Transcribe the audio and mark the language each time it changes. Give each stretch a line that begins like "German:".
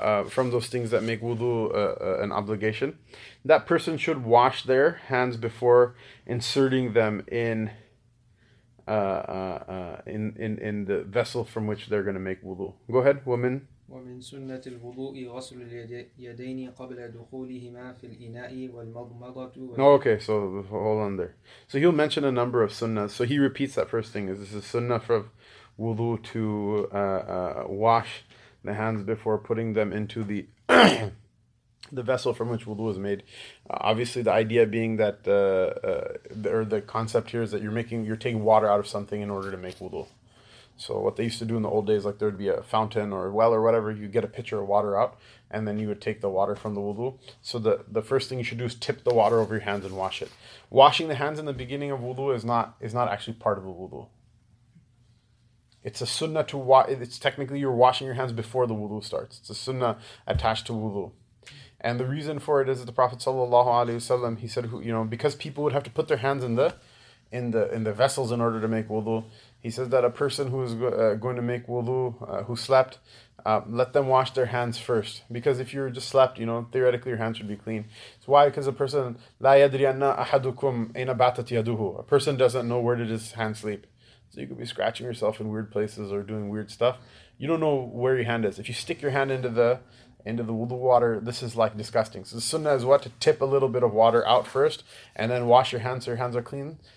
English: from those things that make wudu an obligation, that person should wash their hands before inserting them in the vessel from which they're going to make wudu. Go ahead, woman.
Arabic: ومن سنة الوضوء غسل اليدين قبل دخولهما في الإناء والمضمضة.
English: Okay, so hold on there. So he'll mention a number of sunnahs. So he repeats that first thing. This is a sunnah for wudu to wash the hands before putting them into the the vessel from which wudu is made. Obviously, the idea being that the concept here is that you're taking water out of something in order to make wudu. So what they used to do in the old days, like there would be a fountain or a well or whatever, you get a pitcher of water out, and then you would take the water from the wudu. So the first thing you should do is tip the water over your hands and wash it. Washing the hands in the beginning of wudu is not actually part of the wudu. It's a sunnah to wash. It's technically you're washing your hands before the wudu starts. It's a sunnah attached to wudu. And the reason for it is that the Prophet sallallahu alaihi wasallam, he said, you know, because people would have to put their hands in the vessels in order to make wudu, he says that a person who is going to make wudu, who slept, let them wash their hands first. Because if you just slept, you know, theoretically your hands should be clean. So why? Because a person,
Arabic: لا يدري أن أحدكم أين باتت يده.
English: A person doesn't know where did his hand sleep. So you could be scratching yourself in weird places or doing weird stuff. You don't know where your hand is. If you stick your hand into the wudu water, this is like disgusting. So the sunnah is what? To tip a little bit of water out first and then wash your hands so your hands are clean.